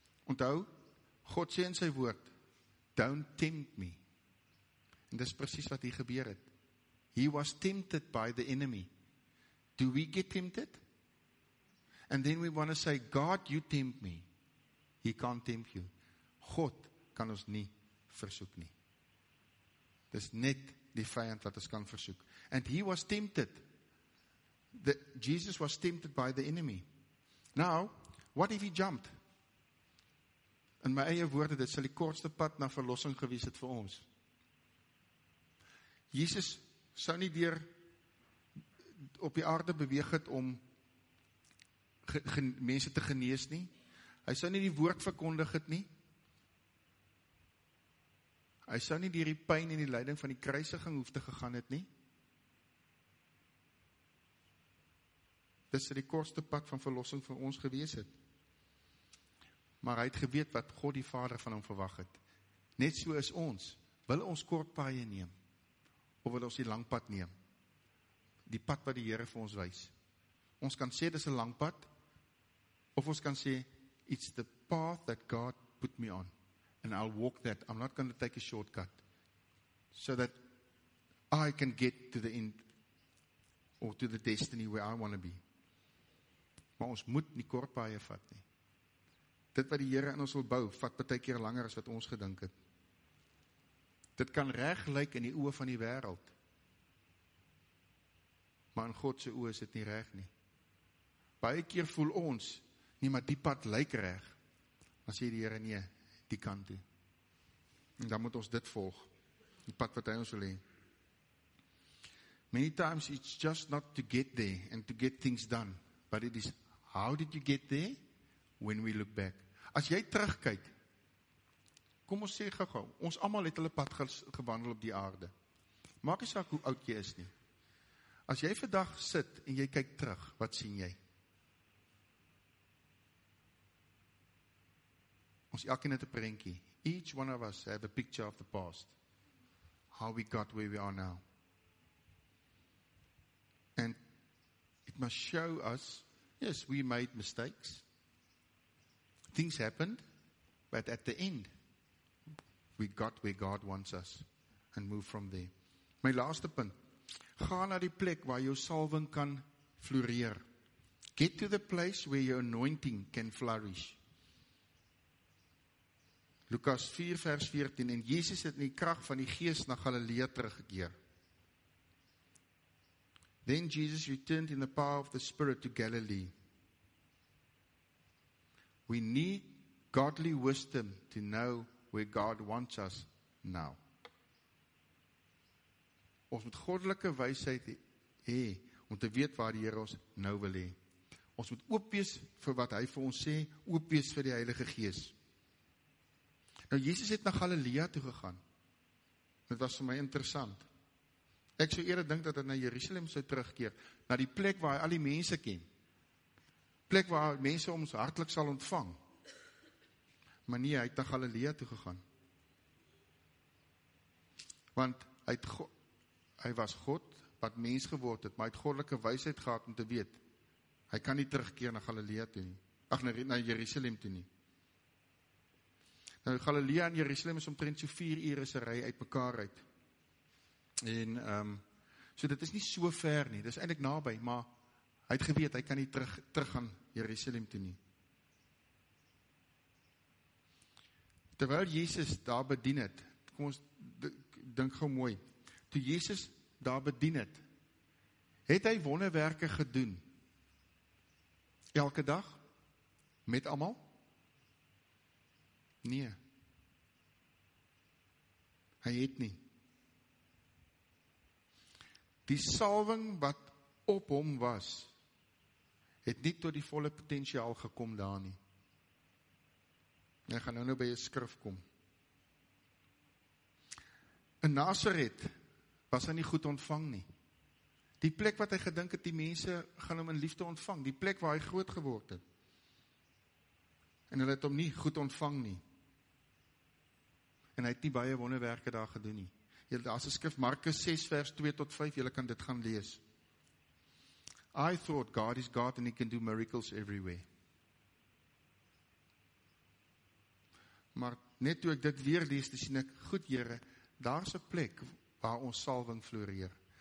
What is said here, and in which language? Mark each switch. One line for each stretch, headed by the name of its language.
Afrikaans: Onthou, God sê in sy woord,
English: don't tempt me.
Afrikaans: En dis presies wat hier gebeur het.
English: He was tempted by the enemy. Do we get tempted? And then we want to say, God, you tempt me. He can't tempt you.
Afrikaans: God kan ons nie versoek nie. Dis net die vyand wat ons kan versoek.
English: And he was tempted. Jesus was tempted by the enemy. Now, what if he jumped?
Afrikaans: In my eie woorde, dit sal die kortste pad na verlossing gewees het vir ons. Jesus sou nie deur op die aarde beweeg het om mense te genees nie. Hy sou nie die woord verkondig het nie. Hy sou nie deur die pyn en die lyding van die kruisiging hoef te gegaan het nie. Dis die kortste pad van verlossing vir ons gewees het. Maar hy het geweet wat God die Vader van hom verwag het. Net so is ons. Wil ons kort paaie neem? Of wil ons die lang pad neem? Die pad wat die Here vir ons wys. Ons kan sê dis 'n lang pad. Of ons kan sê,
English: it's the path that God put me on. And I'll walk that. I'm not going to take a shortcut. So that I can get to the end. Or to the destiny where I want to be.
Afrikaans: Maar ons moet nie kort paaie vat nie. Dit wat die Here in ons wil bou, vat baie keer langer as wat ons gedink het. Dit kan reg lyk in die oë van die wêreld. Maar in God se oë is dit nie reg nie. Baie keer voel ons, nie, maar die pad lyk reg. Maar sê die Here nee, die kant toe. En dan moet ons dit volg. Die pad wat hy ons wil hê.
English: Many times it's just not to get there and to get things done, but it is how did you get there? When we look back.
Afrikaans: As jy terugkyk, kom ons sê gou-gou, ons almal het hulle pad gewandel op die aarde. Maak nie saak hoe oud jy is nie. As jy vandag sit en jy kyk terug, wat sien jy? Ons elkeen het 'n prentjie.
English: Each one of us have a picture of the past. How we got where we are now. And it must show us, yes, we made mistakes. Things happened, but at the end, we got where God wants us and move from there.
Afrikaans: My laaste punt, ga na die plek waar jou salwing kan floreer.
English: Get to the place where your anointing can flourish.
Afrikaans: Lukas 4 vers 14, en Jesus het in die krag van die gees na Galilea teruggekeer.
English: Then Jesus returned in the power of the Spirit to Galilee. We need godly wisdom to know where God wants us now.
Afrikaans: Ons moet goddelike wysheid hê om te weet waar die Here ons nou wil hê. Ons moet oop wees vir wat hy vir ons sê, oop wees vir die Heilige Gees. Nou Jesus het na Galilea toe gegaan. Dit was vir my interessant. Ek sou eerder dink dat hy na Jerusalem sou terugkeer, na die plek waar hy al die mense ken. Plek waar mense ons hartlik sal ontvang. Maar nie, hy het na Galilea toe gegaan. Want hy was God wat mens geword het, maar hy het goddelike wysheid gehad om te weet, hy kan nie terugkeer na Galilea toe nie. Ag, na Jerusalem toe nie. Nou, Galilea en Jerusalem is omtrent so 4 ure se ry uit mekaar uit. En, so dit is nie so ver nie, dit is eintlik naby, maar hy het geweet, hy kan nie terug gaan Jerusalem toe nie. Terwyl Jesus daar bedien het, kom ons dink gou mooi, toe Jesus daar bedien het, het hy wonderwerke gedoen? Elke dag? Met allemaal? Nee. Hy het nie. Die salwing wat op hom was, het nie tot die volle potentiaal gekom daar nie. Hy gaan nou by die skrif kom. In Nazareth was hy nie goed ontvang nie. Die plek wat hy gedink het, die mense gaan hom in liefde ontvang, die plek waar hy groot geword het. En hulle het hom nie goed ontvang nie. En hy het nie baie wonderwerke daar gedoen nie. Daar is een skrif, Markus 6 vers 2 tot 5, julle kan dit gaan lees.
English: I thought God is God and he can do miracles everywhere.
Afrikaans: Maar net toe ek dit weer lees, dan sien ek, goed Here, daar is een plek waar ons salving floreer.